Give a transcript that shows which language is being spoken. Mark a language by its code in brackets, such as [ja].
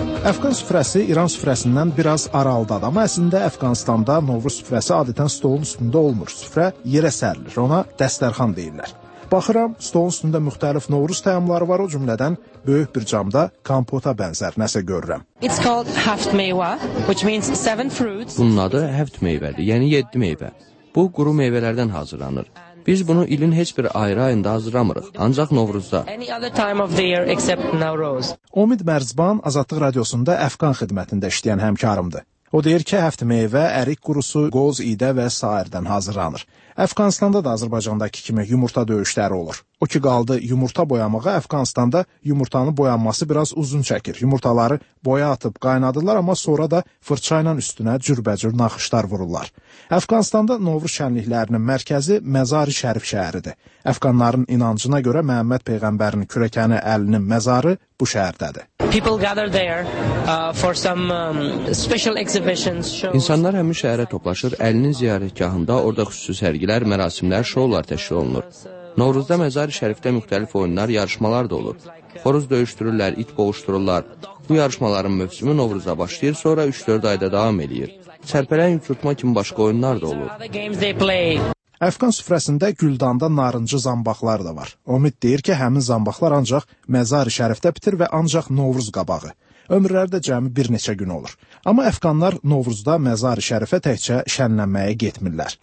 [az] Əfqan süfrəsi İran süfrəsindən biraz aralıdadır, amma əslində Əfqanistanda Novruz süfrəsi adətən stolun üstündə olmur. Süfrə yerə sərilir, ona dəstərxan deyirlər. Baxıram, stolun üstündə müxtəlif Novruz təamları var, o cümlədən böyük bir camda kompota bənzər nəsə görürəm. [en] It's called haft meyva, which means seven fruits. [az] Bunun adı haft meyvədir, yəni 7 meyvə. Bu, quru meyvələrdən hazırlanır. Biz bunu ilin heç bir ayrı ayında hazırlamırıq, ancaq Novruzda. Omid Mərzban Azadlıq Radiosunda Əfqan xidmətində işləyən həmkarımdır. O deyir ki, həft meyvə, ərik qurusu, qoz, idə və s. hazırlanır. Əfqanistanda da Azərbaycandakı kimi yumurta döyüşləri olur. O ki, qaldı yumurta boyamağı, Əfqanistanda yumurtanın boyanması biraz uzun çəkir. Yumurtaları boya atıb qaynadırlar, amma sonra da fırçayla üstünə cürbəcür naxışlar vururlar. Əfqanistanda Novruz şənliklərinin mərkəzi Məzari Şərif şəhəridir. Əfqanların inancına görə Məhəmməd Peyğəmbərin kürəkəni əlinin məzarı bu şəhərdədir. [en] People gather there for some special exhibitions. Shows. [az] İnsanlar həmin şəhərə toplaşır, əlinin ziyarətgahında orada xüsusi sərgilər, mərasimlər, şoular təşkil olunur. Novruzda Məzari Şərifdə müxtəlif oyunlar, yarışmalar da olur. Xoruz döyüşdürürlər, it boğuşdururlar. Bu yarışmaların mövsümü Novruzda başlayır, sonra 3-4 ayda davam edir. Çərpələyin yutma kimi başqa oyunlar da olur. Əfqan süfrəsində güldanda narıncı zambaqlar da var. Ümid deyir ki, həmin zambaqlar ancaq Məzari Şərifdə bitir və ancaq Novruz qabağı. Ömürləri də cəmi bir neçə gün olur. Amma Əfqanlar Novruzda Məzari Şərifə təkcə şənlənməyə getmirlər.